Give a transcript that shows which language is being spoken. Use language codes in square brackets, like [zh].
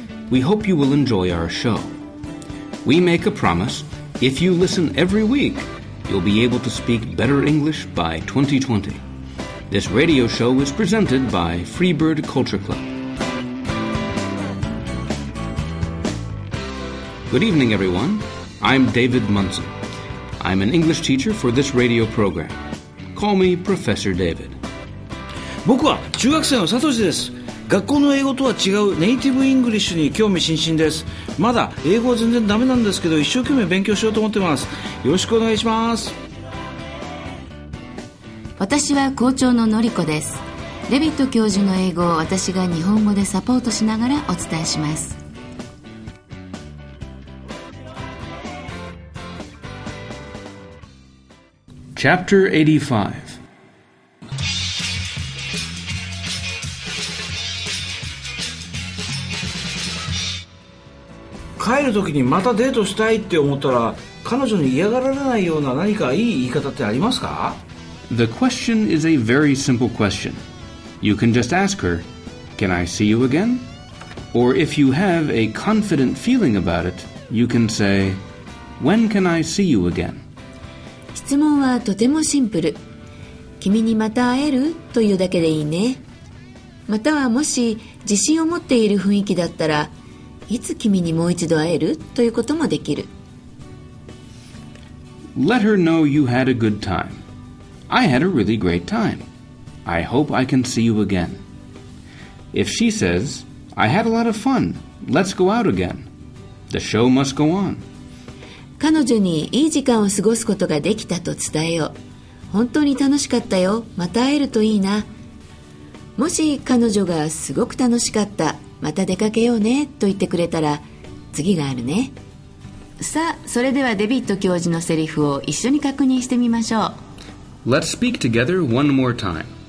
[en] We hope you will enjoy our show. We make a promise, if you listen every week, you'll be able to speak better English by 2020. This radio show is presented by Freebird Culture Club. Good evening, everyone. I'm David Munson. I'm an English teacher for this radio program. Call me Professor David. [ja] 僕は中学生のサトシです。学校の英語とは違うネイティブイングリッシュに興味津々です。まだ英語は全然ダメなんですけど、一生懸命勉強しようと思ってます。よろしくお願いします。私は校長のノリコです。デビット教授の英語を私が日本語でサポートしながらお伝えします。 [en] Chapter 85. [ja] 帰るときにまたデートしたいって思ったら、彼女に嫌がられないような何かいい言い方ってありますか? [en] The question is a very simple question. You can just ask her, "Can I see you again?" Or if you have a confident feeling about it, you can say, "When can I see you again?" [ja] 質問はとてもシンプル。君にまた会える? というだけでいいね。またはもし自信を持っている雰囲気だったら、いつ君にもう一度会える? ということもできる。 [en] Let her know you had a good time. I had a really great time. I hope I can see you again. If she says, I had a lot of fun. Let's go out again. The show must go on. [ja] 彼女にいい時間を過ごすことができたと伝えよう。本当に楽しかったよ。また会えるといいな。もし彼女がすごく楽しかった、また出かけようねと言ってくれたら、次があるね。さあ、それではデビット教授のセリフを一緒に確認してみましょう。 [en] Let's speak together one more time.